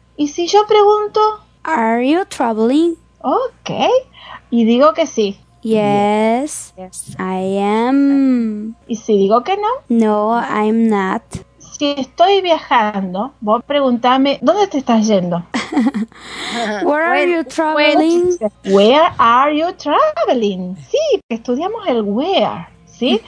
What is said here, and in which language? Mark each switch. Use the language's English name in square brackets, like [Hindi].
[Spanish] ¿Y si yo pregunto? [English] Are you traveling? [Spanish] Okay. Y digo que sí. [English] Yes. Yes. I am. [Spanish] ¿Y si digo que no? [English] No, I'm not. [Spanish] Si si estoy viajando, vos preguntame, ¿dónde te estás yendo? [English] Where are you traveling? Where are you traveling? [Spanish] Sí, estudiamos el where, ¿sí?